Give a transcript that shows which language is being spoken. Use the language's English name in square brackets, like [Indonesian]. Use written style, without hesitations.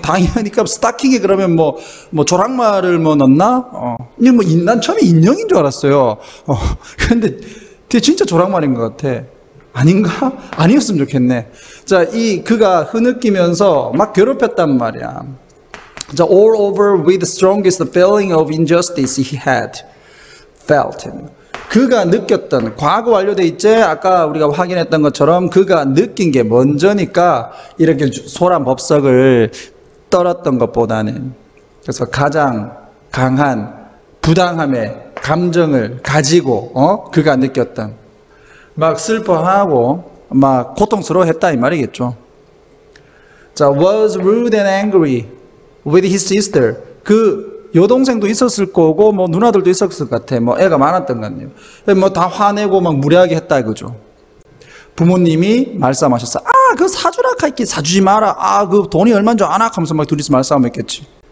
[Korean] 당연히 스타킹이 그러면 뭐 조랑말을 뭐 넣나? 난 처음에 인형인 줄 알았어요. 근데 그게 진짜 조랑말인 것 같아. 아닌가? 아니었으면 좋겠네. 자, 그가 흐느끼면서 막 괴롭혔단 말이야. [English] 자, all over with the strongest feeling of injustice he had felt. [Korean] 그가 느꼈던 과거 완료돼 있지? 아까 우리가 확인했던 것처럼 그가 느낀 게 먼저니까 이렇게 소란 법석을 떨었던 것보다는 그래서 가장 강한 부당함의 감정을 가지고 그가 느꼈던 막 슬퍼하고 막 고통스러워했다 이 말이겠죠. [English] 자, was rude and angry with his sister. [Korean] 그 여동생도 있었을 거고 뭐 누나들도 있었을 것 같아. 뭐 애가 많았던 것 같네요. 뭐 다 화내고 막 무례하게 했다 이거죠. 부모님이 말싸움하셨어. 아 그거 사주라 카이키 사주지 마라. 아 그 돈이 얼마인 줄 아나 하면서 막 둘이서 말싸움했겠지.